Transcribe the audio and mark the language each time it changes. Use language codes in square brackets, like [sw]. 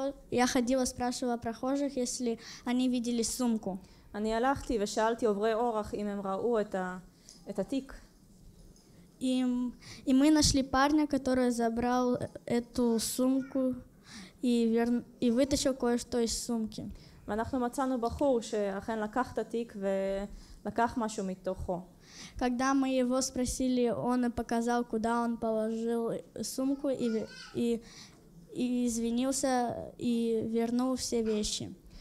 [ru] Я ходила, спрашивала прохожих, если они видели сумку. [he] אני הלכתי ושאלתי עוברי אורח אם הם ראו את התיק. [ru] И мы нашли парня, который забрал эту сумку и вытащил кое-что из сумки. [he] ואנחנו מצאנו בחור שאכן לקח את התיק ולקח משהו מתוכו. [ru] Когда мы его спросили, он показал, куда он положил сумку и извинился и вернул все вещи.